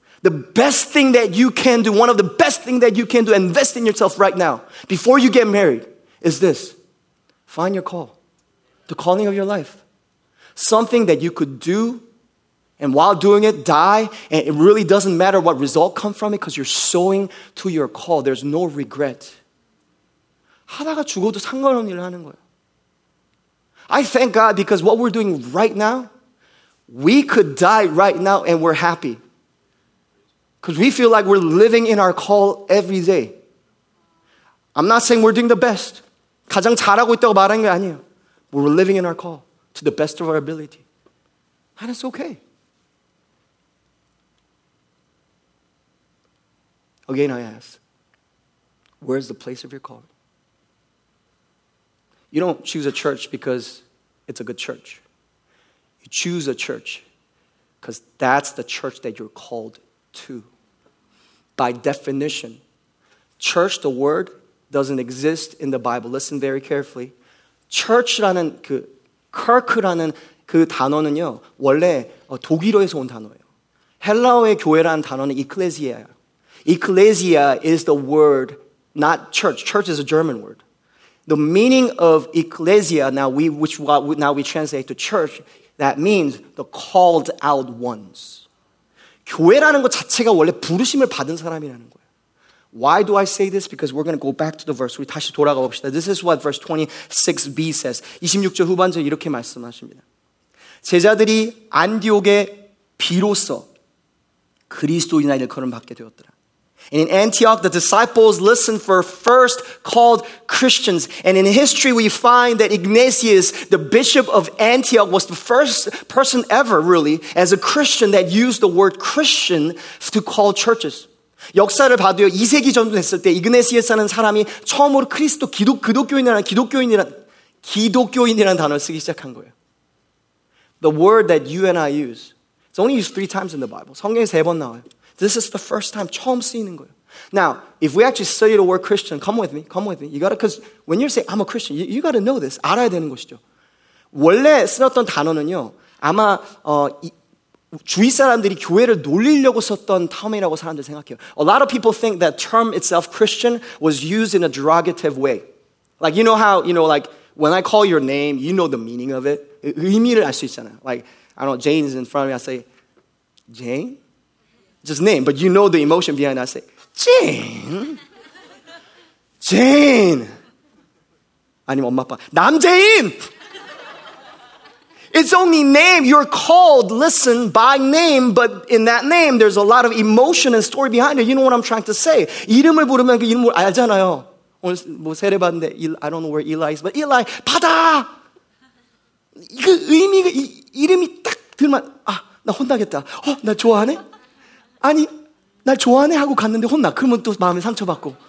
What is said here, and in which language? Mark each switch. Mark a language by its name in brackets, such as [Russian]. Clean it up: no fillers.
[English] The best thing that you can do, one of the best things that you can do, invest in yourself right now, before you get married, is this. Find your call. The calling of your life. Something that you could do, and while doing it, die, and it really doesn't matter what result come from it, because you're sowing to your call. There's no regret. [Korean] 하다가 죽어도 상관없는 일을 하는 거예요. [English] I thank God because what we're doing right now, we could die right now and we're happy. Because we feel like we're living in our call every day. I'm not saying we're doing the best. [Korean] 가장 잘하고 있다고 말하는 게 아니에요. [English] We're living in our call to the best of our ability. And it's okay. Again, I ask, where's the place of your call? You don't choose a church because it's a good church. You choose a church because that's the church that you're called to. By definition, church, the word, doesn't exist in the Bible. Listen very carefully. [Korean] Church라는 그 kirk라는 그 단어는요, 원래 독일어에서 온 단어예요. 헬라어의 교회라는 단어는 ecclesia예요. [English] Ecclesia is the word, not church. Church is a German word. The meaning of ecclesia, now we translate to church, that means the called out ones. [Korean] 교회라는 것 자체가 원래 부르심을 받은 사람이라는 거예요. [English] Why do I say this? Because we're going to go back to the verse. [Korean] 우리 다시 돌아가 봅시다. [English] This is what verse 26b says. [Korean] 26절 후반절 이렇게 말씀하십니다. 제자들이 안디옥에 비로소 그리스도인이나 일컬음 받게 되었더라. [English] And in Antioch, the disciples listened for first called Christians. And in history, we find that Ignatius, the bishop of Antioch, was the first person ever, really, as a Christian that used the word Christian to call churches. [Korean] 역사를 봐도요, 2세기 전도했을 때 이그네시아스라는 사람이 처음으로 크리스도, 기독교인이라는 단어를 쓰기 시작한 거예요. [English] The word that you and I use, it's only used 3 times in the Bible. [Korean] 성경에 3번 나와요. [English] This is the first time, [Korean] 처음 쓰이는 거예요. [English] Now, if we actually study the word Christian, come with me. You gotta, because when you say, I'm a Christian, you gotta know this. [Korean] 알아야 되는 것이죠. 원래 쓰였던 단어는요, 아마 주위 사람들이 교회를 놀리려고 썼던 텀이라고 사람들 생각해요. [English] A lot of people think that term itself, Christian, was used in a derogative way. Like, you know how, you know, like, when I call your name, you know the meaning of it. 의미를 알 수 있잖아요. Like, I don't know, Jane's in front of me, I say, Jane? Just name, but you know the emotion behind that. I say, Jane? Jane? [Korean] 아니면 엄마, 아빠, 남재인! [English] It's only name. You're called, listen, by name, but in that name, there's a lot of emotion and story behind it. You know what I'm trying to say. [Korean] 이름을 부르면 그 이름을 알잖아요. 오늘 뭐 세례받는데, [English] I don't know where Eli is, but Eli, [Korean] 받아! 그 의미가, 이름이 딱 들면, 아, 나 혼나겠다. 어, 나 좋아하네? 아니, 날 좋아하네 하고 갔는데 혼나. 그러면 또 마음에 상처받고.